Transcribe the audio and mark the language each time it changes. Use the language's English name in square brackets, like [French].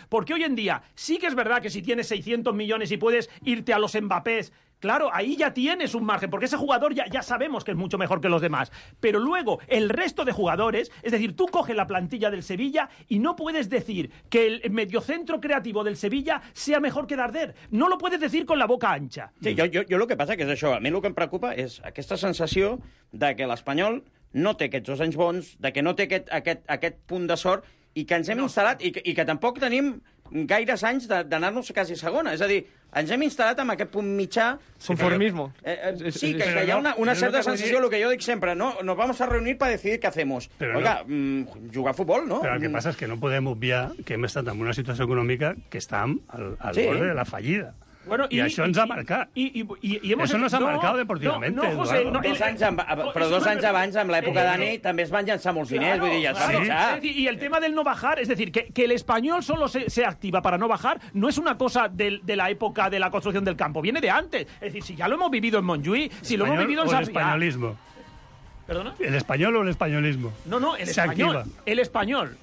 [Spanish] Porque hoy en día sí que es verdad que si tienes 600 millones y puedes irte a los Mbappés, claro, ahí ya tienes un margen, porque ese jugador ya sabemos que es mucho mejor que los demás. Pero luego, el resto de jugadores, es decir, tú coges la plantilla del Sevilla y no puedes decir que el mediocentro creativo del Sevilla sea mejor que Darder. No lo puedes decir con la boca ancha. [Catalan] Sí, jo lo que passa que és això. A mi el que em preocupa és aquesta sensació de que l'Espanyol no té aquests dos anys bons, de que no té aquest punt de sort i que ens hem instal·lat i que tampoc tenim gaires anys d'anar-nos quasi a segona. És a dir, ens hem instal·lat amb aquest punt mitjà... [Spanish] Conformismo. [Catalan] Sí, que hi ha una certa sensació, el que jo dic sempre, no? [Spanish] Nos vamos a reunir para decidir qué hacemos. Oiga, jugar a futbol, no? [Catalan] Però el que passa és que no podem obviar que hem estat en una situació econòmica que està al borde de la fallida. Bueno, y això ens ha marcat. [Spanish] Y hemos... Eso nos ha marcado deportivamente. [Catalan] No, José, no, dos anys abans, amb l'època d'Ani, també es van llançar molts diners. Claro, vull dir, claro. Sí. [Spanish] Y el tema del no bajar, es decir, que el Español solo se activa para no bajar, no es una cosa de la época de la construcción del campo, viene de antes. Es decir, si ya lo hemos vivido en Montjuïc, lo hemos vivido en Sarrià... El españolismo. ¿Perdona? ¿El español o el españolismo? No, el español. Activa. El español.